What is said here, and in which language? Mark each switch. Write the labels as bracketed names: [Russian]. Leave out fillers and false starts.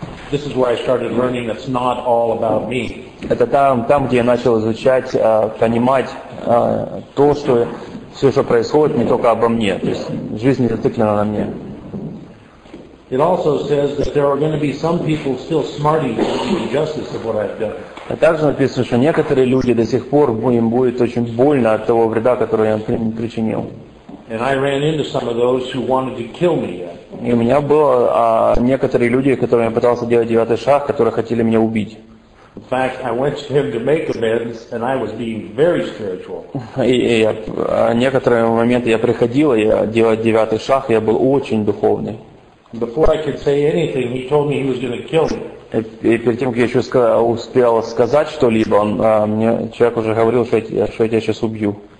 [English] This is where I started learning that's not all about me. [Russian] Это там, где я начал изучать, понимать то, что все, что происходит, не только обо мне. То есть жизнь не зациклена на мне. [English] It also says that there are going to be some people still smarting for the injustice of what I've done. [Russian] А также написано, что некоторые люди до сих пор им будет очень больно от того вреда, который я им причинил. [English] And I ran into some of those who wanted to kill me. [Russian] И у меня было некоторые люди, которым я пытался делать девятый шаг, которые хотели меня убить. [English] In fact, I went to him to make amends, and I was being very spiritual. [Russian] И некоторые моменты я приходил, я делал девятый шаг, я был очень духовный. [English] Before I could say anything, he told me he was going to kill me. [Russian] И перед тем, как я еще успел сказать что-либо, мне человек уже говорил, что я тебя сейчас убью.